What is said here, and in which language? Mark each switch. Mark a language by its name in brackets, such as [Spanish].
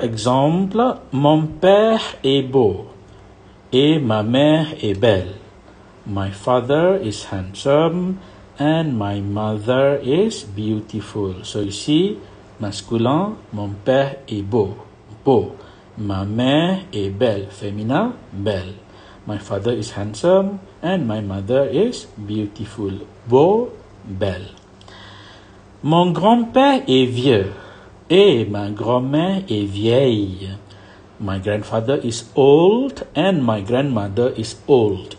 [French] Example, mon père est beau et ma mère est belle. [English] My father is handsome and my mother is beautiful. So you see, [French] masculin, mon père est beau, beau. Ma mère est belle, féminin, belle. [English] My father is handsome and my mother is beautiful, beau, belle. [French] Mon grand-père est vieux et ma grand-mère est vieille. [English] My grandfather is old and my grandmother is old.